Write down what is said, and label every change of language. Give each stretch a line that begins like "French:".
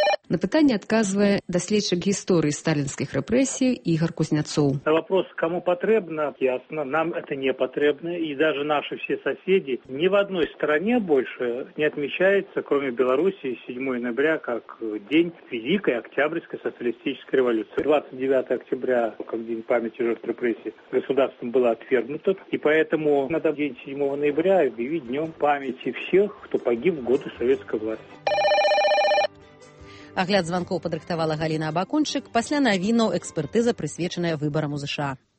Belarusian: На пытанне адказвае даследчык гісторыі сталінскіх рэпрэсій Ігар Кузняцоў.
Russian: На вопрос, кому патрэбна, ясна, нам это не патрэбна, і даже наши все соседи ні в одной стране больше не отмечается, кроме Беларусі, 7 ноября, как день Великой Октябрьской социалистической революции. 29 октября, как день памяти жертв репрессий, государством было отвергнуто, и поэтому надо день 7 ноября объявить днем памяти всех, кто погиб в годы советской власти.
Belarusian: Агляд звонков подрыхтавала Галіна Абакунчык. Пасля навінаў экспертыза, прысвечаная выбарам у США.